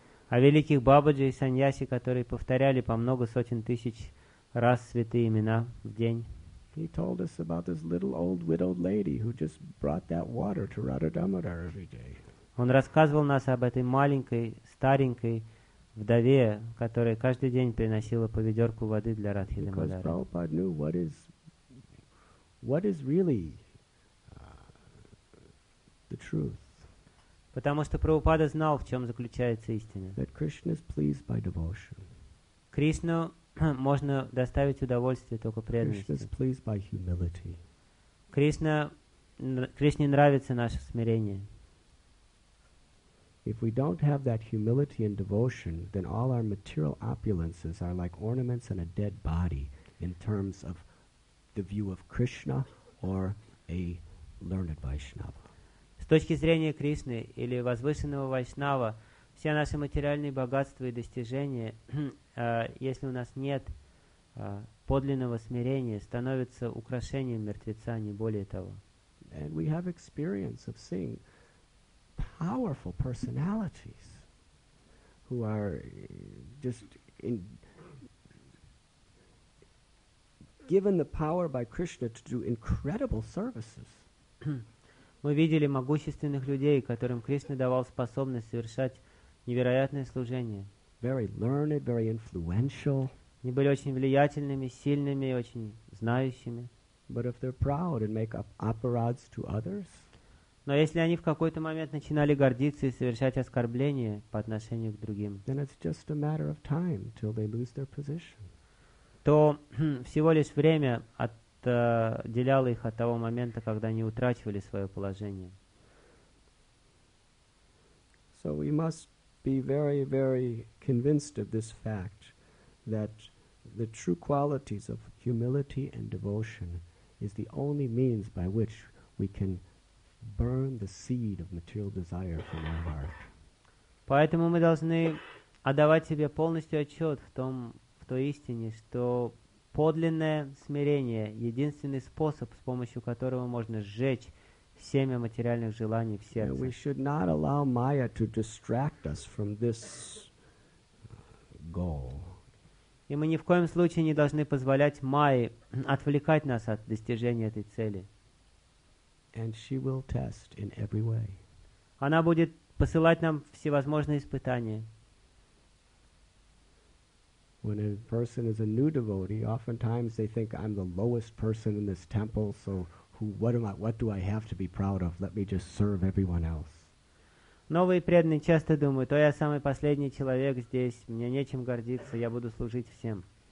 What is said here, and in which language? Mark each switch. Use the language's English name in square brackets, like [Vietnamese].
[Russian] О великих бабаджи и саньяси, которые повторяли по много сотен тысяч раз святые имена в день. [English] He told us about this little old widowed lady who just brought that water to Radha Damodar every day. [Russian] Он рассказывал нас об этой маленькой, старенькой вдове, которая каждый день приносила по ведерку воды для Радхидамадары. [English] Because Prabhupada knew what is really the truth. [Russian] Потому что Прабхупада знал, в чем заключается истина. [English] That Krishna is pleased by devotion. [Russian] Кришну можно доставить удовольствие только преданностью. [English] Krishna is pleased by humility. [Russian] Кришне нравится наше смирение. [English] If we don't have that humility and devotion, then all our material opulences are like ornaments on a dead body in terms of the view of Krishna or a learned Vaishnava. [Russian] С точки зрения Кришны или возвышенного Вайшнава, все наши материальные богатства и достижения, если у нас нет подлинного смирения, становятся украшением мертвеца, не более того. [English] And we have experience of seeing powerful personalities who are just in given the power by Krishna to do incredible services. [Russian] Мы видели могущественных людей, которым Кришна давал способность совершать невероятное служение. [English] Very learned, very influential. [Russian] Они были очень влиятельными, сильными, очень знающими. [English] But if they're proud and make up apparads to others, [Russian] но если они в какой-то момент начинали гордиться и совершать оскорбления по отношению к другим, [English] then it's just a matter of time till they lose their position. [Russian] То всего лишь время отделяло их от того момента, когда они утрачивали свое положение. [English] So we must be very, very convinced of this fact that the true qualities of humility and devotion is the only means by which we can burn the seed of material desire from our heart. [Russian] Поэтому мы должны отдавать себе полностью отчет в том, в той истине, что подлинное смирение — единственный способ, с помощью которого можно сжечь семя материальных желаний в сердце. [English] We should not allow Maya to distract us from this goal. [Russian] И мы ни в коем случае не должны позволять Майе отвлекать нас от достижения этой цели. [English] And she will test in every way. [Russian] Она будет посылать нам всевозможные испытания. [English] When a person is a new devotee, oftentimes they think, I'm the lowest person in this temple, so what do I have to be proud of? Let me just serve everyone else. [Russian] Новые преданные часто думают, я самый последний человек здесь, мне нечем гордиться, я буду служить всем.